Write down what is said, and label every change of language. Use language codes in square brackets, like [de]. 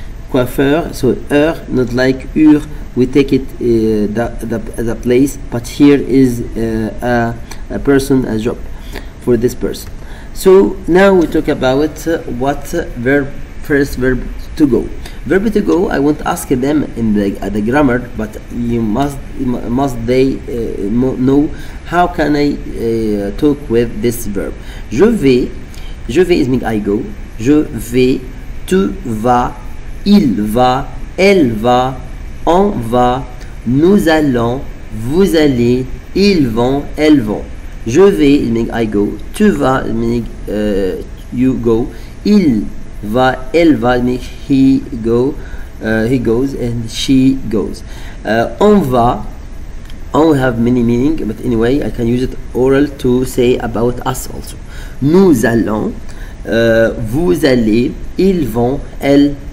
[en] Coiffeur, so heure, not like ur, we take it the place, but here is a person, a job for this person. So now we talk about what verb, first verb to go. Verb to go, I won't ask them in the grammar, but they know how can I talk with this verb. [fr] Je vais [en] is meaning I go, [fr] je vais, tu vas, il va, elle va, on va, nous allons, vous allez, ils vont, elles vont. [en] Je vais, meaning I go, tu vas, meaning you go, [fr] il va, elle va, [en] meaning he go, he goes and she goes. On va, on have many meaning, but anyway, I can use it oral to say about us also. [fr] Nous allons, vous allez, ils vont, elles vont.